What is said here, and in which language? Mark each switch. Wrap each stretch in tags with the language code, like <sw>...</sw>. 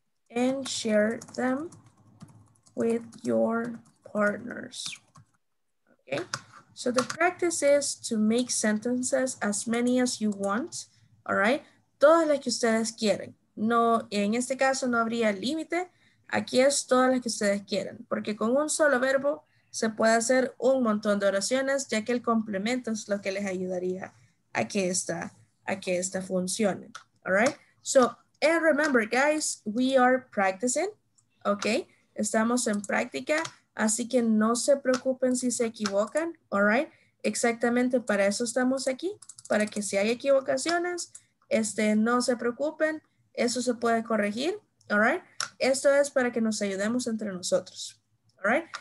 <en>and share them with your partners. Okay, so the practice is to make sentences as many as you want, all right?</en> <es>Todas las que ustedes quieren. No, en este caso no habría límite. Aquí es todas las que ustedes quieren, porque con un solo verbo se puede hacer un montón de oraciones, ya que el complemento es lo que les ayudaría a que esta funcione, all right?</es> <en>So, and remember, guys, we are practicing, okay?</en> <es>Estamos en práctica, así que no se preocupen si se equivocan, all right? Exactamente para eso estamos aquí, para que si hay equivocaciones, no se preocupen, eso se puede corregir, all right? Esto es para que nos ayudemos entre nosotros, all right?</es>